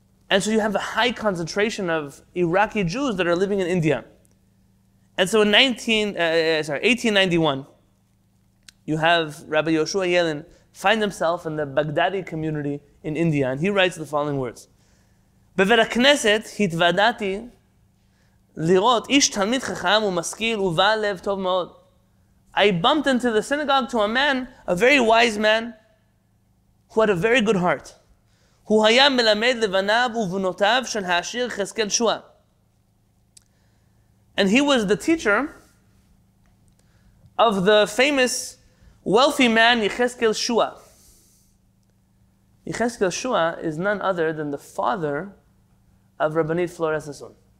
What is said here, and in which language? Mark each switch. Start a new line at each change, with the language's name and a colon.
English: And so you have a high concentration of Iraqi Jews that are living in India. And so in 1891, you have Rabbi Yehoshua Yelin find himself in the Baghdadi community in India, and he writes the following words.
Hebrew: בבית הכנסת התוודעתי לראות איש תלמיד חכם ומשכיל ובעל לב טוב מאוד.
English: I bumped into the synagogue to a man, a very wise man, who had a very good heart.
Hebrew: הוא היה מלמד לבניו ובנותיו של העשיר חזקאל שועה.
English: And he was the teacher of the famous wealthy man יחזקאל שועה. יחזקאל שועה is none other than the father of Rabbanit Flora Sassoon.